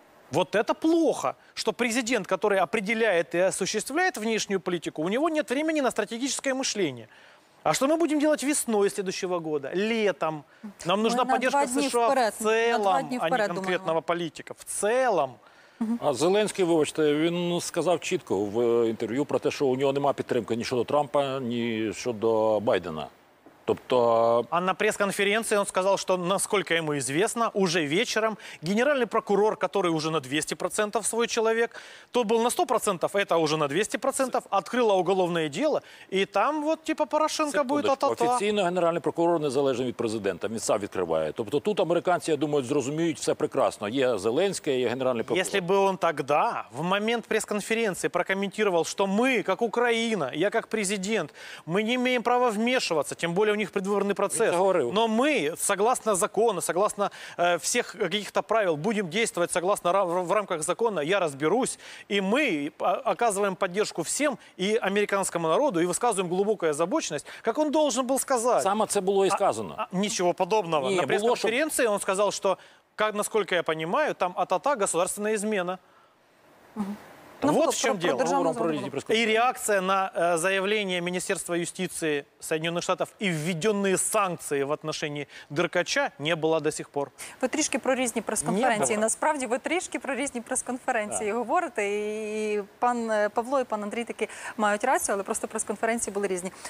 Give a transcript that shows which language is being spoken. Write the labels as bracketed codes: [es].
[ru] Вот это плохо, что президент, который определяет и осуществляет внешнюю политику, у него нет времени на стратегическое мышление. А что мы будем делать весной следующего года, летом? Нам нужна поддержка США в целом, а не конкретного политика. В целом. [uk] А Зеленський, вибачте, він сказав чітко в інтерв'ю про те, що у нього немає підтримки ні щодо Трампа, ні щодо Байдена. Тобто... [ru] А на прес-конференции он сказал, что, насколько ему известно, уже вечером генеральный прокурор, который уже на 200% свой человек, тот был на 100%, это уже на 200%, открыла уголовное дело, и там вот типа Порошенко будет от АТО. Официально генеральный прокурор [uk] незалежний від президента, він сам відкриває. Тобто тут американці, я думаю, зрозуміють все прекрасно. Є Зеленський, є генеральний прокурор. [ru] Если бы он тогда, в момент пресс-конференции, прокомментировал, что мы, как Украина, я как президент, мы не имеем права вмешиваться, тем более у них предвыборный процесс. Но мы, согласно закону, согласно всех каких-то правил, будем действовать согласно в рамках закона, я разберусь. И мы оказываем поддержку всем и американскому народу и высказываем глубокую озабоченность, как он должен был сказать. [uk] Само це було і сказано. [ru] Ничего подобного. Не, на пресс-конференции [uk] було, [ru] он сказал, что, как, насколько я понимаю, там АТАТА государственная измена. Ну, вот в чем дело. И реакция на заявление Министерства юстиции Соединенных Штатов и введенные санкции в отношении Деркача не было до сих пор. [uk] Вы трішки про різні прес-конференції. Насправді, ви трішки про різні прес-конференції говорите. І пан Павло, і пан Андрій таки мають рацію, але просто прес-конференції були різні.